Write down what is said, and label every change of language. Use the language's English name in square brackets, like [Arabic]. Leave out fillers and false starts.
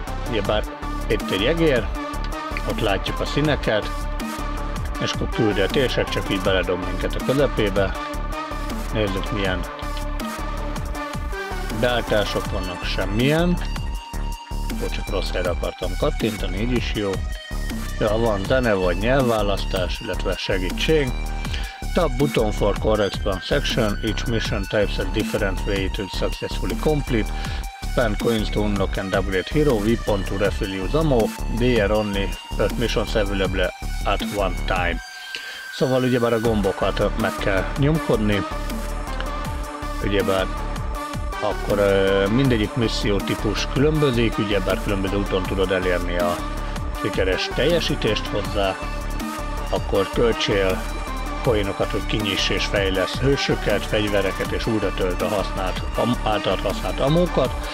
[Hungarian] Ugyebár itt egy egér, ott látjuk a színeket, és akkor küldi a térsek, csak így beledob minket a közepébe. Nézzük, milyen beállítások vannak, semmilyen. Akkor csak rossz helyre akartam kattintani, így is jó. Ja, van zene vagy nyelvválasztás, illetve segítség. [English] Tap button for correspond section, each mission types a different way to successfully complete. Spend coins to unlock and upgrade hero, weapon to refill use ammo. There only 5 missions available at one time. [Hungarian] Szóval ugyebár a gombokat meg kell nyomkodni. Ugyebár akkor mindegyik misszió típus különbözik, ugyebár különböző úton tudod elérni a sikeres teljesítést hozzá, akkor költsél coinokat, hogy kinyiss és fejlesz hősöket, fegyvereket és újra tölt a használt, általad használt amókat.